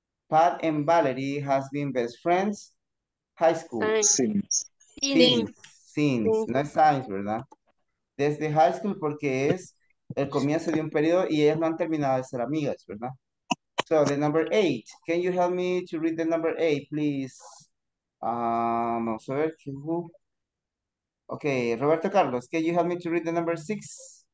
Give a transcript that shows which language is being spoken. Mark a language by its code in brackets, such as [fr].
[en] Pat and Valerie has been best friends high school. Since. [es] No es science, ¿verdad? Desde high school porque es el comienzo de un periodo y ellas no han terminado de ser amigas, ¿verdad? [en] So, the number 8. Can you help me to read the number 8, please? [es] Vamos a ver. [en] Okay, Roberto Carlos, can you help me to read the number 6?